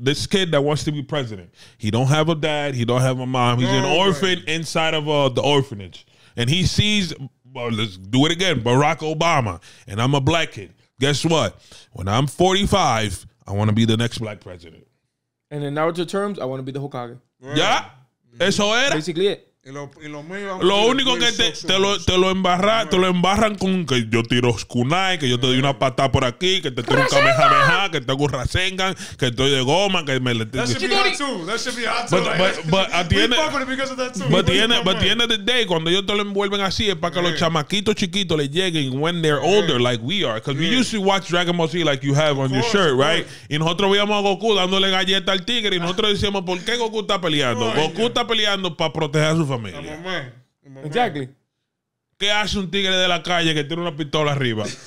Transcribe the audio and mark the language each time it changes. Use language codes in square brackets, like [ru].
[en] This kid that wants to be president. He don't have a dad. He don't have a mom. He's an orphan inside of the orphanage. And he sees, well, let's do it again, Barack Obama. And I'm a black kid. Guess what? When I'm 45, I want to be the next black president. And in Naruto terms, I want to be the Hokage. Right. Yeah. [es] Eso era. [en] Basically it. [es] Lo único que te lo embarran con que yo tiro kunai, que yo te doy una patada por aquí, que te tiro un kamehameha, que te hago rasengan, que estoy de goma, que me le... [en] That should be hot too. That should be hot too. But at the end of the day, [es] cuando ellos te lo envuelven así, es para que los chamaquitos chiquitos le lleguen [en] when they're older, like we are. Because we used to watch Dragon Ball Z like you have on your shirt, right? [es] Y nosotros veíamos a Goku dándole galleta al tigre y nosotros decíamos, ¿por qué Goku está peleando? Goku está peleando para proteger a su [en] Exactly. [es] ¿Qué hace un tigre de la calle que tiene una pistola arriba?